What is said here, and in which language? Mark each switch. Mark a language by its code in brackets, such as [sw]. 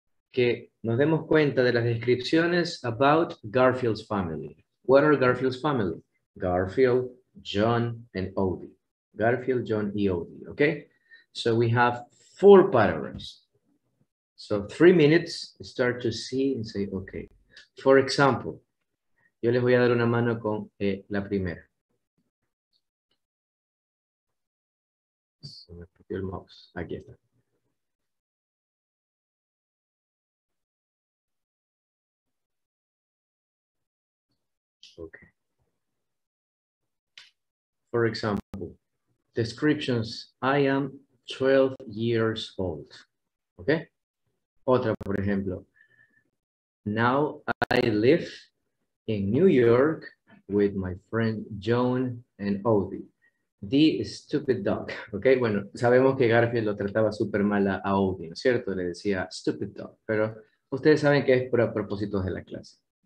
[es] Que nos demos cuenta de las descripciones [en] about Garfield's family. What are Garfield's family? Garfield, John, and Odie. Garfield, John, and Odie, okay? So we have four paragraphs. So 3 minutes, start to see and say, okay. For example, [es] yo les voy a dar una mano con la primera. Se me perdió el mouse. Aquí está. [en] Okay. For example, descriptions, I am 12 years old. Okay. [es] Otra, por ejemplo. [en] Now I live in New York with my friend Joan and Odie, the stupid dog. Okay. [es] Bueno, sabemos que Garfield lo trataba súper mal a Odie, ¿no es cierto? Le decía [en] stupid dog, [es] pero ustedes saben que es por propósitos de la clase.